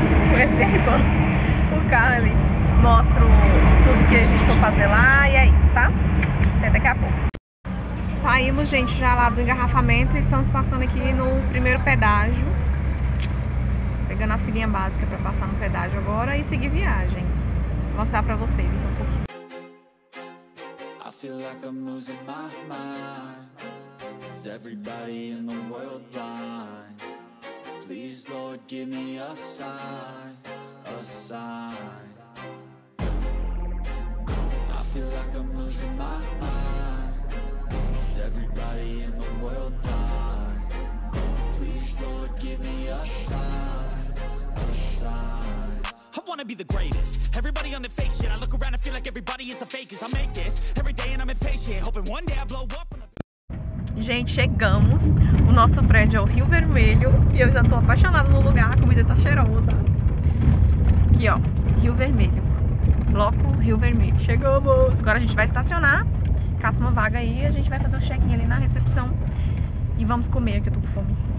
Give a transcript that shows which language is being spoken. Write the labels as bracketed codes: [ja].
[pt] Comecei com o carro ali. Mostro tudo que a gente for fazer lá e é isso, tá? Até daqui a pouco. Saímos, gente, já lá do engarrafamento e estamos passando aqui no primeiro pedágio. Pegando a filinha básica pra passar no pedágio agora e seguir viagem. Vou mostrar pra vocês então, um pouquinho. [en] I feel like I'm losing my mind. Is everybody in the world blind? Please, Lord, give me a sign. A sign. I feel like I'm losing my mind. Is everybody in the world blind? Please, Lord, give me a sign. I wanna be the greatest. Everybody on the fake shit. I look around and feel like everybody is the fakest. I make this every day and I'm impatient, hoping one day I blow up. [pt] Gente, chegamos. O nosso prédio é o Rio Vermelho e eu já tô apaixonada no lugar. A comida tá cheirosa. Aqui, ó, Rio Vermelho. Bloco Rio Vermelho. Chegamos. Agora a gente vai estacionar, caça uma vaga aí, a gente vai fazer um check-in ali na recepção e vamos comer, que eu tô com fome.